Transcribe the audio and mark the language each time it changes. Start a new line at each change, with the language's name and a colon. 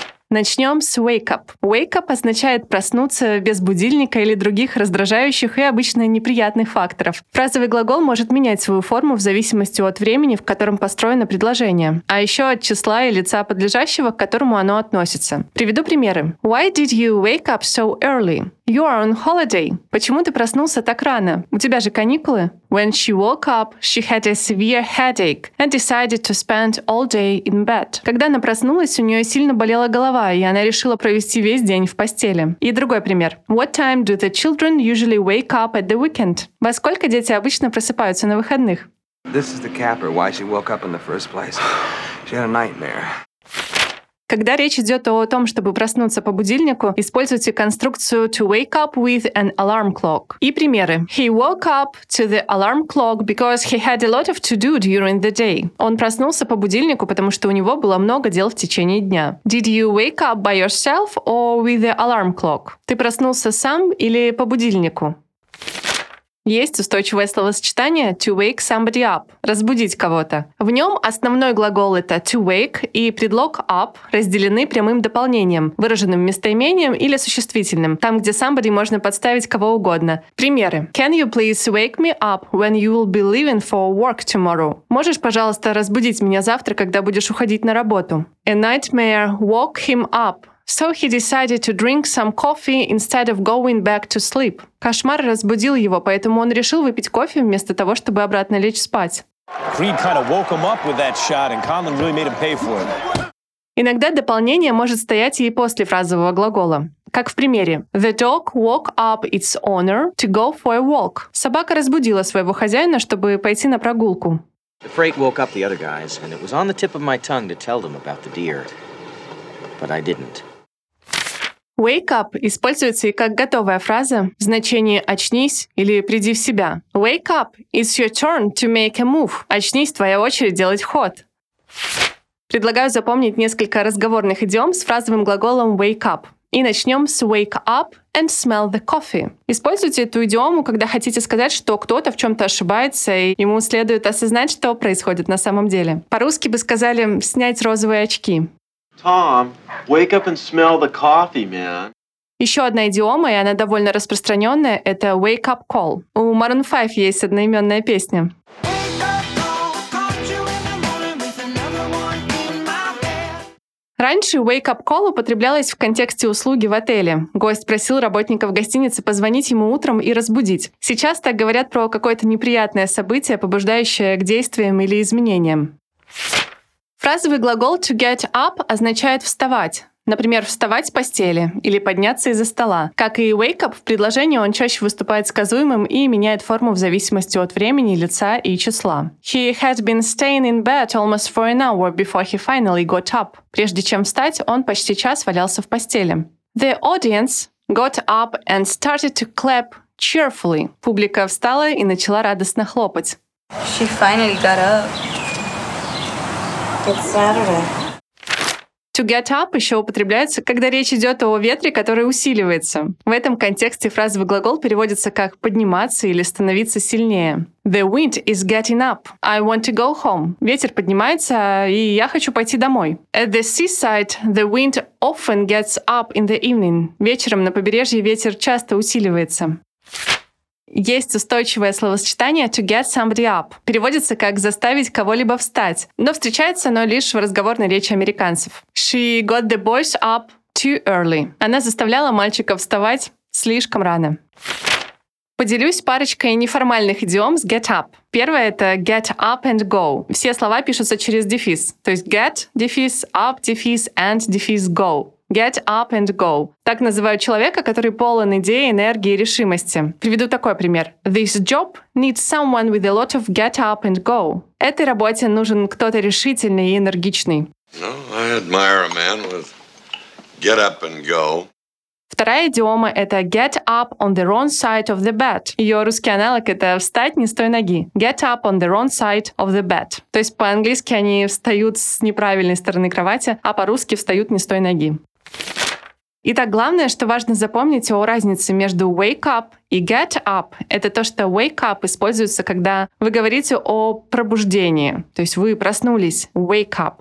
Russian: Начнем с wake up. Wake up означает проснуться без будильника или других раздражающих и обычно неприятных факторов. Фразовый глагол может менять свою форму в зависимости от времени, в котором построено предложение, а еще от числа и лица подлежащего, к которому оно относится. Приведу примеры.
English: Why did you wake up so early? You are on holiday.
Russian: Почему ты проснулся так рано? У тебя же каникулы.
English: When she woke up, she had a severe headache and decided to spend all day in bed.
Russian: Когда она проснулась, у нее сильно болела голова, и она решила провести весь день в постели. И другой пример.
English: What time do the children usually wake up at the weekend?
Russian: Во сколько дети обычно просыпаются на выходных?
English: This is the capper, why she woke up in the first place. She had a nightmare.
Russian: Когда речь идет о том, чтобы проснуться по будильнику, используйте конструкцию
English: to wake up with an alarm clock.
Russian: И примеры.
English: He woke up to the alarm clock because he had a lot of to do during the day.
Russian: Он проснулся по будильнику, потому что у него было много дел в течение дня.
English: Did you wake up by yourself or with the alarm clock?
Russian: Ты проснулся сам или по будильнику? Есть устойчивое словосочетание
English: to wake somebody up
Russian: – разбудить кого-то. В нем основной глагол – это to wake и предлог up разделены прямым дополнением, выраженным местоимением или существительным, там, где somebody можно подставить кого угодно. Примеры.
English: Can you please wake me up when you will be leaving for work tomorrow?
Russian: Можешь, пожалуйста, разбудить меня завтра, когда будешь уходить на работу?
English: A nightmare woke him up. So he decided to drink some coffee instead of going back to sleep.
Russian: Кошмар разбудил его, поэтому он решил выпить кофе вместо того, чтобы обратно лечь спать.
English: Creed kind of woke him up with that shot, and Conlon really made him pay for it.
Russian: Иногда дополнение может стоять и после фразового глагола. Как в примере.
English: The dog woke up its owner to go for a walk.
Russian: Собака разбудила своего хозяина, чтобы пойти на прогулку.
English: The freight woke up the other guys, and it was on the tip of my tongue to tell them about the deer. But I didn't.
Russian: Wake up используется и как готовая фраза в значении «очнись» или «приди в себя».
English: Wake up, it's your turn to make a move.
Russian: Очнись, твоя очередь делать ход. Предлагаю запомнить несколько разговорных идиом с фразовым глаголом
English: wake up.
Russian: И начнем с
English: wake up and smell the coffee.
Russian: Используйте эту идиому, когда хотите сказать, что кто-то в чем-то ошибается, и ему следует осознать, что происходит на самом деле. По-русски бы сказали «снять розовые очки».
English: Tom, wake up and smell the coffee, man.
Russian: Еще одна идиома, и она довольно распространенная, это
English: wake up call.
Russian: У Maroon 5 есть одноименная песня. Раньше wake-up call употреблялось в контексте услуги в отеле. Гость просил работников гостиницы позвонить ему утром и разбудить. Сейчас так говорят про какое-то неприятное событие, побуждающее к действиям или изменениям. Фразовый глагол
English: to get up
Russian: означает вставать. Например, вставать с постели или подняться из-за стола. Как и wake up, в предложении он чаще выступает сказуемым и меняет форму в зависимости от времени, лица и числа.
English: He had been staying in bed almost for an hour before he finally got up.
Russian: Прежде чем встать, он почти час валялся в постели.
English: The audience got up and started to clap cheerfully.
Russian: Публика встала и начала радостно хлопать.
English: She finally got up. It's Saturday.
Russian: To get up еще употребляется, когда речь идет о ветре, который усиливается. В этом контексте фразовый глагол переводится как «подниматься» или «становиться сильнее».
English: The wind is getting up. I want to go home.
Russian: Ветер поднимается, и я хочу пойти домой.
English: At the seaside, the wind often gets up in the evening.
Russian: Вечером на побережье ветер часто усиливается. Есть устойчивое словосочетание
English: to get somebody up.
Russian: Переводится как заставить кого-либо встать, но встречается оно лишь в разговорной речи американцев.
English: She got the boys up too early.
Russian: Она заставляла мальчиков вставать слишком рано. Поделюсь парочкой неформальных идиом с
English: get up.
Russian: Первое — это
English: get up and go.
Russian: Все слова пишутся через дефис, то есть get, дефис, up, дефис, and, дефис, go.
English: Get up and go.
Russian: Так называют человека, который полон идей, энергии и решимости. Приведу такой пример.
English: This job needs someone with a lot of get up and go.
Russian: Этой работе нужен кто-то решительный и энергичный.
English: No, I admire a man with get up and go.
Russian: Вторая идиома – это
English: «get up on the wrong side of the bed».
Russian: Ее русский аналог – это «встать не с той ноги».
English: «Get up on the wrong side of the bed».
Russian: То есть по-английски они встают с неправильной стороны кровати, а по-русски встают не с той ноги. Итак, главное, что важно запомнить о разнице между
English: «wake up»
Russian: и «get up» — это то, что «wake up» используется, когда вы говорите о пробуждении, то есть вы проснулись, «wake up».